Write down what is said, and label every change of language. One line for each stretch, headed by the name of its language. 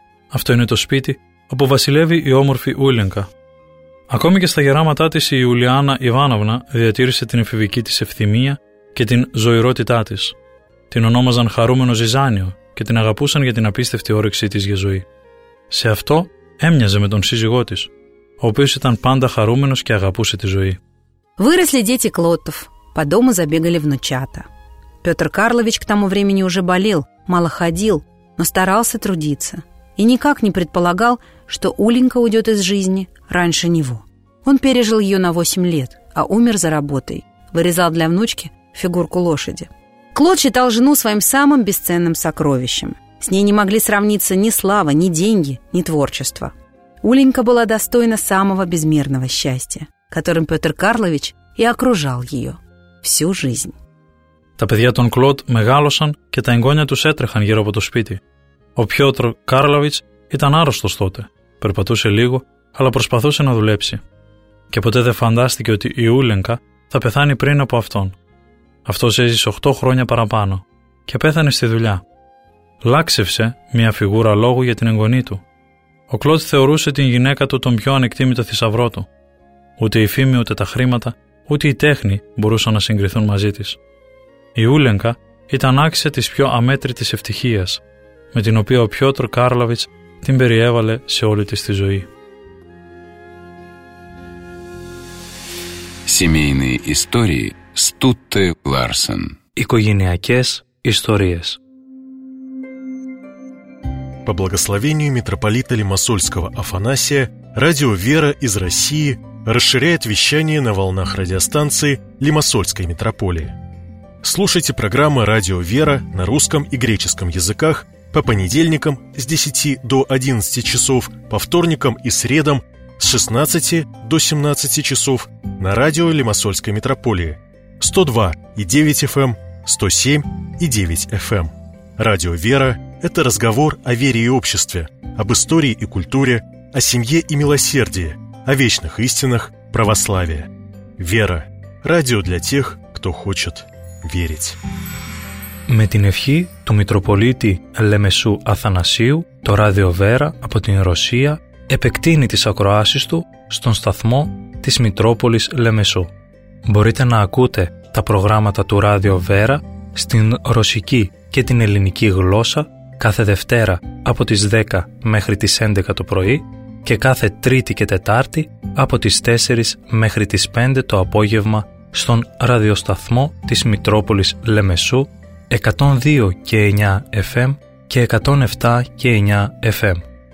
Greek: Αυτό είναι το σπίτι όπου βασιλεύει η όμορφη Ούλενκα». Ακόμη και στα γεράματά της η Ιουλιάνα Ιβάνοβνα διατήρησε την εφηβική της ευθυμία και την ζωηρότητά της. Την ονόμαζαν χαρούμενο ζυζάνιο και την αγαπούσαν για την απίστευτη όρεξή της για ζωή. Σε αυτό έμοιαζε με τον σύζυγό της, ο οποίος ήταν πάντα χαρούμενος και αγαπούσε τη ζωή.
Russian: Выросли дети Клоттов. По дому забегали внучата. Петр Карлович к тому времени уже болел, мало ходил, но старался трудиться. И никак не предполагал, что Уленька уйдет из жизни раньше него. Он пережил ее на 8 лет, а умер за работой. Вырезал для внучки фигурку лошади. Клод считал жену своим самым бесценным сокровищем. С ней не могли сравниться ни слава, ни деньги, ни творчество. Уленька была достойна самого безмерного счастья, которым Петр Карлович и окружал ее всю жизнь.
Greek: Τα παιδιά των Κλοντ μεγάλωσαν και τα εγγόνια τους έτρεχαν γύρω από το σπίτι. Ο Πιότρ Κάρλοβιτς ήταν άρρωστος τότε. Περπατούσε λίγο, αλλά προσπαθούσε να δουλέψει. Και ποτέ δεν φαντάστηκε ότι η Ούλενκα θα πεθάνει πριν από αυτόν. Αυτός έζησε 8 χρόνια παραπάνω και πέθανε στη δουλειά. Λάξευσε μια φιγούρα λόγου για την εγγονή του. Ο Κλοντ θεωρούσε την γυναίκα του τον πιο ανεκτίμητο θησαυρό του. Ούτε η φήμη, ούτε τα χρήματα, ούτε η τέχνη μπορούσαν να συγκριθούν μαζί της. Η Ούλενκα ήταν άξια της πιο αμέτρητης ευτυχίας, με την οποία ο Πιότρ Κάρλοβιτς την περιέβαλε σε όλη της τη ζωή.
Russian: Семейные истории Стутте Ларсен.
Greek: Οικογενειακές ιστορίες.
Russian: По благословению митрополита Лимассольского Афанасия, радио «Вера» из России расширяет вещание на волнах радиостанции Лимассольской митрополии. Слушайте программы «Радио Вера» на русском и греческом языках по понедельникам с 10 до 11 часов, по вторникам и средам с 16 до 17 часов на радио Лимассольской митрополии 102,9 FM, 107,9 FM. «Радио Вера» – это разговор о вере и обществе, об истории и культуре, о семье и милосердии, о вечных истинах православия. Вера. Радио для тех, кто хочет верить.
Greek: Με την ευχή του Μητροπολίτη Λεμεσού Αθανασίου, το Ράδιο Βέρα από την Ρωσία επεκτείνει τις ακροάσεις του στον σταθμό της Μητρόπολης Λεμεσού. Μπορείτε να ακούτε τα προγράμματα του Ράδιο Βέρα στην ρωσική και την ελληνική γλώσσα κάθε Δευτέρα από τις 10 μέχρι τις 11 το πρωί και κάθε Τρίτη και Τετάρτη από τις 4 μέχρι τις 5 το απόγευμα στον ραδιοσταθμό της Μητρόπολης Λεμεσού 102 και 9 FM και 107 και 9 FM.